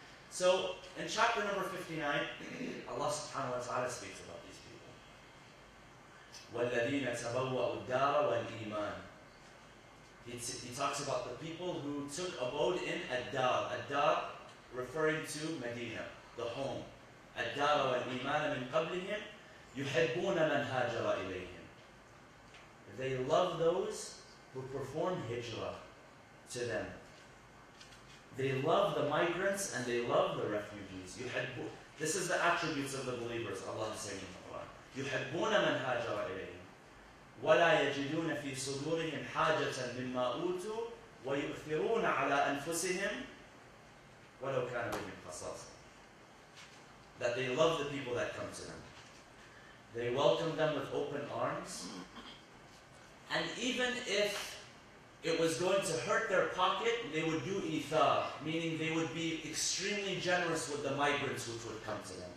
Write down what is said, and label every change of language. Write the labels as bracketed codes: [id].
[en] So, in chapter number 59, Allah subhanahu wa ta'ala speaks about these people. [ar] وَالَّذِينَ تَبَوَّأُوا الدَّارَ وَالْإِيمَانِ [en] He talks about the people who took abode in Ad-Dar. Ad-Dar referring to Medina, the home. [ar] الدار والإيمان من قبلهم يحبون من هاجر إليهم. [en] They love those who perform hijrah to them. They love the migrants and they love the refugees. This is the attributes of the believers, Allah is saying in the Quran. [ar] يحبون من هاجر إليهم. ولا يجدون في صدورهم حاجة مما أوتوا ويؤثرون على أنفسهم ولو كان بهم خصاصة. [en] That they love the people that come to them. They welcome them with open arms. And even if it was going to hurt their pocket, they would do ithar, meaning they would be extremely generous with the migrants which would come to them.